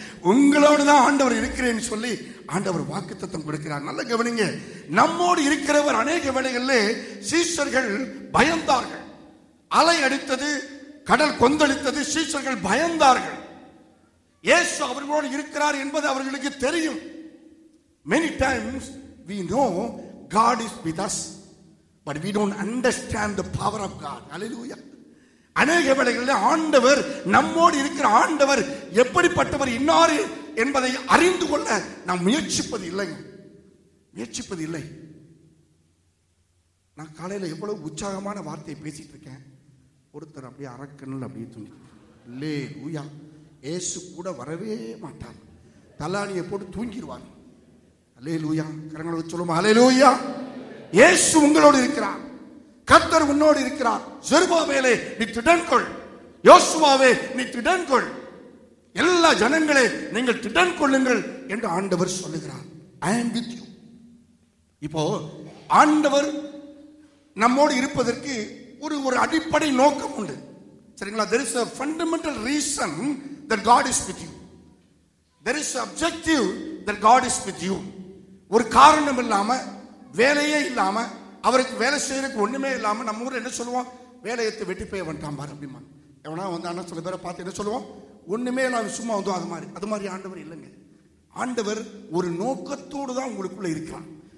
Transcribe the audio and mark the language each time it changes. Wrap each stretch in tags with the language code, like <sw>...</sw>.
<ta>உங்களோடு தான் ஆண்டவர் இருக்கிறேன்னு சொல்லி ஆண்டவர் வாக்குத்தத்தம் கொடுக்கிறார். நல்ல கவனிங்க. நம்மோடு இருக்கிறவர். அநேக வேளைகளில் சீஷர்கள் பயந்தார்கள். அலை அடித்தது, கடல் கொந்தளித்தது, சீஷர்கள் பயந்தார்கள். இயேசு அவர்களோடு இருக்கிறார் என்பது அவர்களுக்கு தெரியும்.</ta> <en>Many times we know God is with us, but we don't understand the power of God. Hallelujah.</en> <ta>அநேக வேளைகளில் ஆண்டவர் நம்மோடு இருக்கிற ஆண்டவர் எப்படிப்பட்டவர் இன்னாரு என்பதை அறிந்து கொள்ள நாம் முயற்சிப்பது இல்லை, முயற்சிப்பது இல்லை. நான் காலையில் எவ்வளவு உற்சாகமான வார்த்தையை பேசிட்டு இருக்கேன், ஒருத்தர் அப்படியே அறக்கணும் அப்படியே தூங்கிடுவார். இயேசு கூட வரவே மாட்டார். தலாணியை போட்டு தூங்கிடுவார். அல்லேலூயா. கரங்களை சொல்லுமா? அல்லேலூயா. இயேசு உங்களோடு இருக்கிறார். கர்த்தர் உன்னோடு இருக்கிறார். செருபாபேலே நீ திடன் கொள். யோசுவாவே நீ திடன் கொள். எல்லா ஜனங்களே நீங்கள் திடன் கொள்ளுங்கள் என்று ஆண்டவர் சொல்லுகிறார்.</ta> <en>I am with you.</en> <ta>இப்போ ஆண்டவர் நம்மோடு இருப்பதற்கு ஒரு ஒரு அடிப்படை நோக்கம் உண்டு, சரிங்களா?</ta> <en>There is a fundamental reason that God is with you. There is an objective that God is with you.</en> <ta>ஒரு காரணம் இல்லாம, வேலையே இல்லாம, அவருக்கு வேலை செய்யறதுக்கு ஒண்ணுமே இல்லாம, நம்ம ஊர்ல என்ன சொல்லுவோம்? வேலையத்தை வெட்டி போய் வந்துட்டான் பாரு அப்படிமா. எவனா வந்து அண்ணா சில பேரை பார்த்து என்ன சொல்லுவோம்? ஒண்ணுமே இல்லாம சும்மா வந்தோம். அது மாதிரி அது மாதிரி ஆண்டவர் இல்லைங்க. ஆண்டவர் ஒரு நோக்கத்தோடு தான் உங்களுக்குள்ள இருக்கிறான்.</ta>